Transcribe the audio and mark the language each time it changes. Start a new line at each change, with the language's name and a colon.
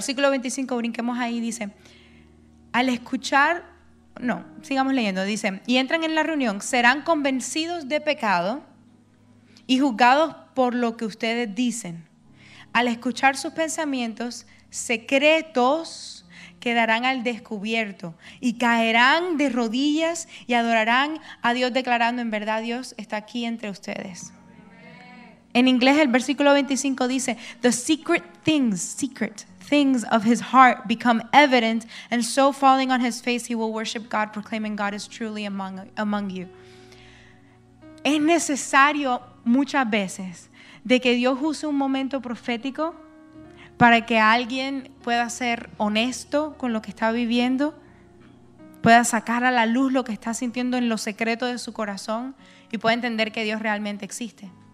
Spanish: Versículo 25, brinquemos ahí, dice, al escuchar, no, sigamos leyendo, dice, y entran en la reunión, serán convencidos de pecado y juzgados por lo que ustedes dicen. Al escuchar sus pensamientos secretos, quedarán al descubierto y caerán de rodillas y adorarán a Dios declarando, en verdad Dios está aquí entre ustedes. En inglés el versículo 25 dice,
English: the secret things of his heart become evident, and so falling on his face he will worship God, proclaiming God is truly among you.
Spanish: Es necesario muchas veces de que Dios use un momento profético para que alguien pueda ser honesto con lo que está viviendo, pueda sacar a la luz lo que está sintiendo en los secretos de su corazón y pueda entender que Dios realmente existe.